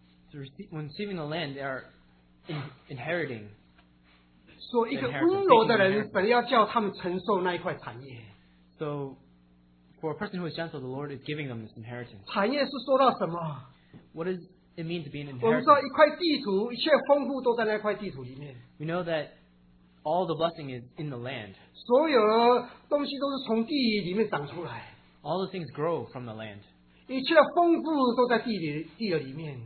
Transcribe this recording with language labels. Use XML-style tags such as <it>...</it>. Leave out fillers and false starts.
<en>So when receiving the land, they are inheriting.</en> <zh>所以一个温柔的人本来要叫他们承受那一块产业。</zh> <en>So for a person who is gentle, the Lord is giving them this inheritance.</en> <zh>产业是说到什么？</zh> <en>What does it mean to be an inheritance?</en> <zh>我们知道一块地图，一切丰富都在那块地图里面。</zh> <en>We know that all the blessing is in the land.</en> <zh>所有的东西都是从地里面长出来。</zh> <en>All the things grow from the land.</en> <zh>一切的丰富都在地里面。</zh>